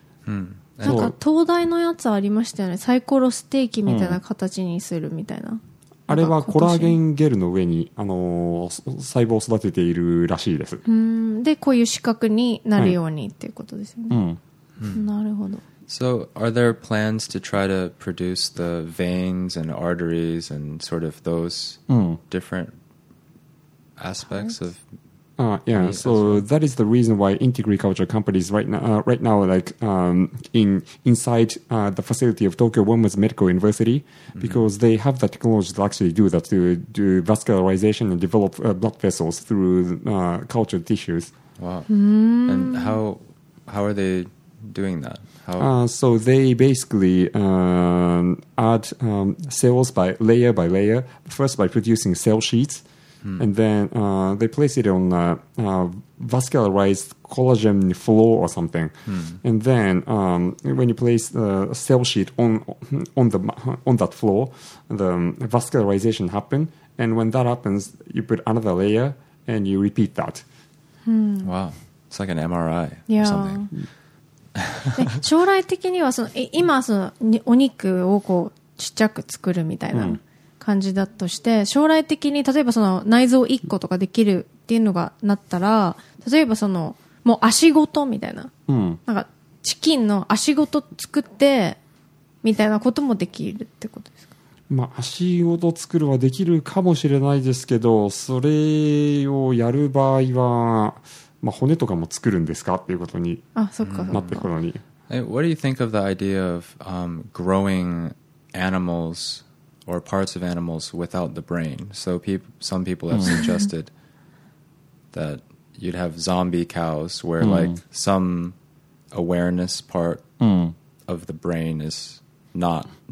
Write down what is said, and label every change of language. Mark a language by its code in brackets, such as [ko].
[ja] なんか東大のやつありましたよね。サイコロステーキみたいな形にするみたいな。あれはコラーゲンゲルの上に、細胞を育てているらしいです。で、こういう四角になるようにっていうことですよね。なるほど。 [en] So, are there plans to try to produce the veins and arteries and sort of those different aspects of Yeah, so that is the reason why Integriculture companies right now like inside the facility of Tokyo Women's Medical University, because they have the technology to actually do that, to do vascularization and develop blood vessels through cultured tissues. Wow. And how are they doing that? So they basically add cells by layer by layer, first by producing cell sheets. And then they place it on a vascularized collagen floor or something. And then when you place the cell sheet on that floor, the vascularization happens. And when that happens, you put another layer and you repeat that. Wow. It's like an MRI or something. [ja] 将来的にはその今そのお肉をこうちっちゃく作るみたいな。感じだとして、将来的に例えばその内臓1個とかできるっていうのがなったら、例えばそのもう足ごとみたいな、なんかチキンの足ごと作ってみたいなこともできるってことですか。まあ足ごと作るはできるかもしれないですけど、それをやる場合は、まあ、骨とかも作るんですかっていうことに、あ、そっか、なってくるのに。 [en] What do you think of the idea of growing animals? Or parts of animals without the brain. So some people have suggested that you'd have zombie cows where like some awareness part of the brain is not